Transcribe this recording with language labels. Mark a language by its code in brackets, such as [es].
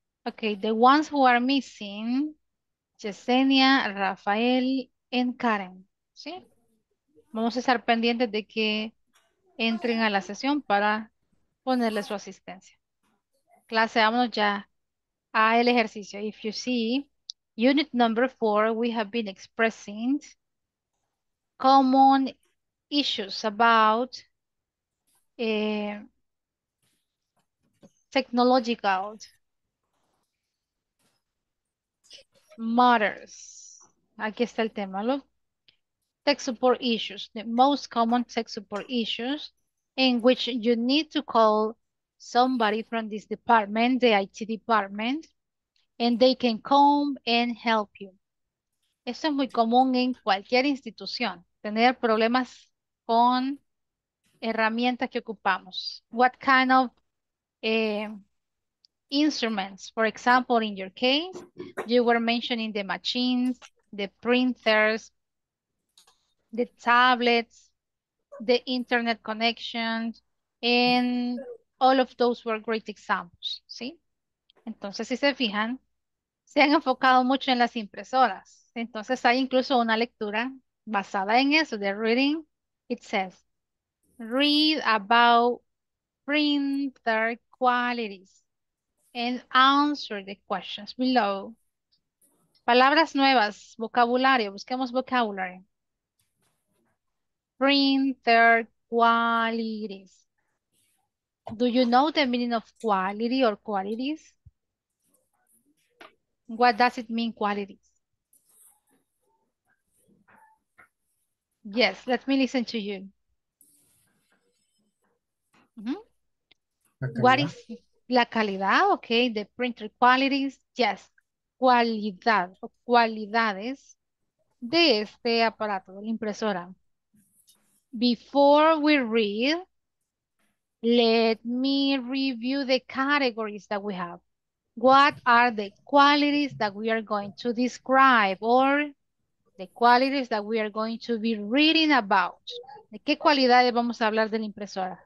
[en] Okay, the ones who are missing, Yesenia, Rafael, and Karen. [es] ¿Sí? Vamos a estar pendientes de que entren a la sesión para ponerle su asistencia. Clase, vámonos ya al ejercicio. [en] If you see, unit number 4, we have been expressing common issues about technological matters. [es] Aquí está el tema, ¿no? [en] Tech support issues, the most common tech support issues in which you need to call somebody from this department, the IT department, and they can come and help you. [es] Esto es muy común en cualquier institución, tener problemas con herramientas que ocupamos. [en] What kind of instruments? For example, in your case, you were mentioning the machines, the printers, the tablets, the internet connections, and all of those were great examples, ¿sí? [es] Entonces, si se fijan, se han enfocado mucho en las impresoras. Entonces, hay incluso una lectura basada en eso, [en] the reading. It says, read about printer qualities and answer the questions below. [es] Palabras nuevas, vocabulario, busquemos vocabulario. Printer qualities. [en] Do you know the meaning of quality or qualities? What does it mean, qualities? Yes, let me listen to you. Mm-hmm. What is la calidad? Okay, the printer qualities. [es] Yes, cualidad o cualidades de este aparato, de la impresora. [en] Before we read, let me review the categories that we have. What are the qualities that we are going to describe or the qualities that we are going to be reading about? [es] ¿De qué cualidades vamos a hablar de la impresora?